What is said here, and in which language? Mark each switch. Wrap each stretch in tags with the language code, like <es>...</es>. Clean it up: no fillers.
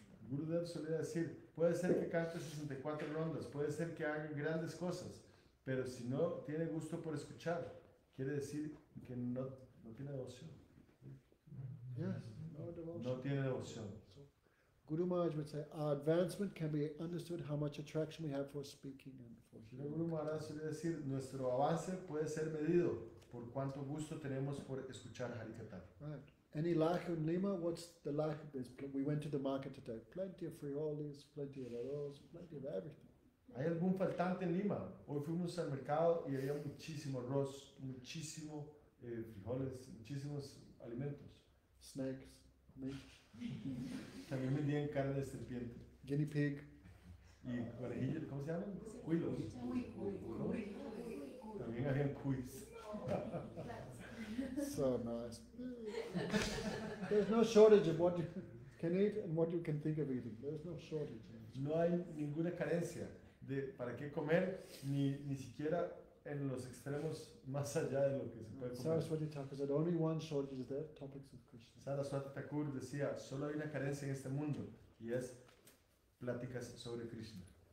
<es>Gurudev solía decir, puede ser que cante 64 rondas, puede ser que haga grandes cosas, pero si no tiene gusto por escuchar, quiere decir que no tiene devoción.</es> <en>Yes, no devotion.</en> <es>No tiene devoción.</es> <en>So, Guru Maharaj would say, our advancement can be understood how much attraction we have for speaking and for hearing.</en> <es>Guru Maharaj solía decir, nuestro avance puede ser medido por cuánto gusto tenemos por escuchar Harikatha.</es> <en>Right. Any lack in Lima? What's the lack? We went to the market today. Plenty of frijoles, plenty of arroz, plenty of everything.</en> <es>¿Hay algún faltante en Lima? Hoy fuimos al mercado y había muchísimo arroz, muchísimo frijoles, muchísimos alimentos.</es> <en>Snakes, meat.</en> <es>También vendían carne de serpiente.</es> <en>Guinea pig.</en> <es>Y orejillas, ¿cómo se llaman? Cuilos. Cuy. También habían cuis.</es> <en>So nice. There's no shortage of what you can eat and what you can think of eating. There's no shortage.</en> <es>No hay ninguna carencia de para qué comer, ni siquiera en los extremos más allá de lo que se puede comer.</es> <en>Saraswati Thakur said only one shortage is there, topics of Krishna.</en> <es>Saraswati Thakur decía, solo hay una carencia en este mundo, y es pláticas sobre Krishna.</es>